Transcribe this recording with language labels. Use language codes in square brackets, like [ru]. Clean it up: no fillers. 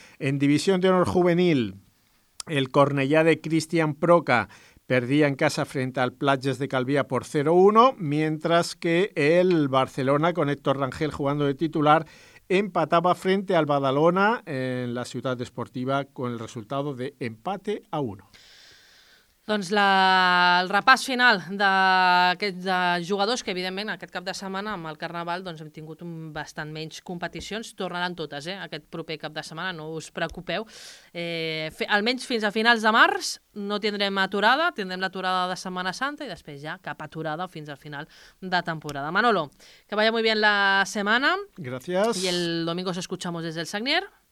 [es] En División de Honor Juvenil, el Cornellà de Cristian Proca perdía en casa frente al Platges de Calvià por 0-1, mientras que el Barcelona, con Héctor Rangel jugando de titular, empataba frente al Badalona en la Ciutat Esportiva con el resultado de empate a 1. [ca] Doncs el repàs final de jugadors, que evidentment aquest cap de setmana amb el Carnaval doncs hem tingut bastant menys competicions, tornaran totes aquest proper cap de setmana, no us preocupeu. Almenys fins a finals de març no tindrem aturada, tindrem l'aturada de Setmana Santa i després ja cap aturada fins al final de temporada. [es] Manolo, que vaya muy bien la semana. Gracias. Y el domingo os escuchamos desde el Sagnier.